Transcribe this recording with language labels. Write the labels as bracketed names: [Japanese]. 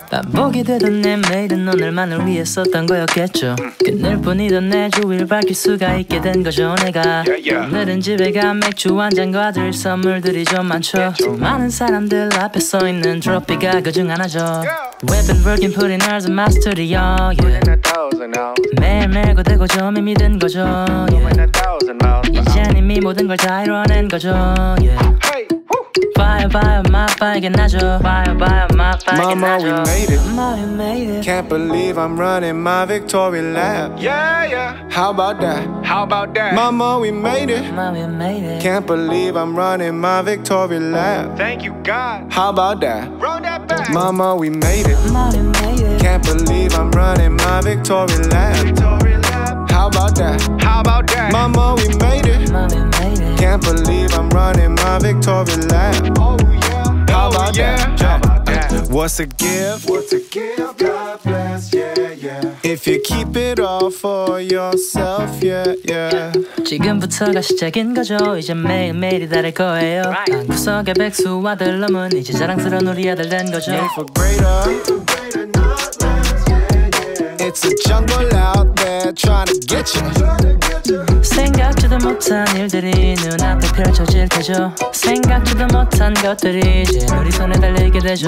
[Korean] 반복이 되던 내 매일은 오늘만을 위해 썼던 거였겠죠. 끝낼 뿐이던 내 주위를 밝힐 수가 있게 된 거죠 내가. 오늘은 집에 가 맥주 한 잔과 들 선물들이 좀 많죠. 많은 사람들 앞에 서 있는 트로피가 그중 하나죠. [English] We've been working pretty hard and mastery, yeah. [Korean] 매일매일 고되고 좀 힘이 든 거죠. 이젠 이미 모든 걸 다 이뤄낸 거죠. [English] Fire, fire, my fire, get nacho. Fire, fire, my fire, get nacho. Mama, we made it. Mama, we made it. Can't believe I'm running my victory lap. Yeah, yeah. How about that? How about that? Mama, we made it. Mama, we made it. Can't believe I'm running my victory lap. Thank you, God. How about that? Run that back. Mama, we made it. Mama, we made it. Can't believe I'm running my victory lap. Victory lap. How about that? How about that? Mama, we made it. Mama, we made it. Can't believe I'm running my victory lap. Oh yeah, how about, yeah. That? How about that? What's a gift? What's a gift? God bless, yeah, yeah. If you keep it all for yourself, yeah, yeah. [Korean] 지금부터가 시작인 거죠. 이제 매일매일이 다를 거예요. 방구석에 백수 아들 넘은 이제 자랑스러운 우리 아들 된 거죠. [English] Made for greater, made for greater, not less, yeah, yeah. It's a jungle out there trying to get you. [Korean] 생각지도 못한 일들이 눈앞에 펼쳐질 테죠. 생각지도 못한 것들이 이제 우리 손에 달리게 되죠.